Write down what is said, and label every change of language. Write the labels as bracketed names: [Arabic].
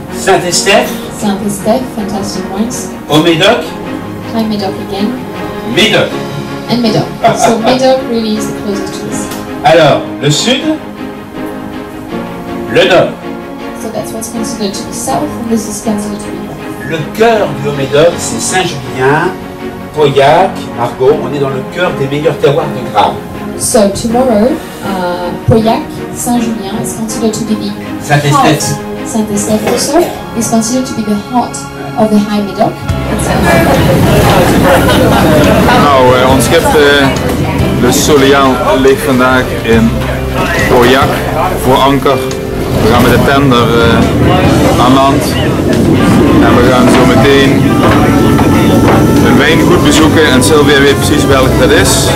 [French] Saint-Estèphe, [English] fantastic wines. Oh, Médoc. Hi, Médoc again. Médoc. And Médoc. So Médoc really is the closest to us. [French] Alors, le sud, le nord. [English] So that's what's considered to be south, and this is considered to be north. [French] Le cœur du Haut Médoc, c'est Saint-Julien. Pauillac, Margaux, on est dans le cœur des meilleurs terroirs de Graves. [English] So tomorrow, Pauillac, Saint-Julien is considered to be the Saint-Estèphe. Saint-Estèphe also is considered to be the heart of the High Médoc. [Dutch] Nou, ons schip Le Soleil ligt vandaag in Pauillac voor anker. We gaan met de tender aan land en we gaan zo meteen een wijngoed bezoeken en Sylvia weet precies welk dat is.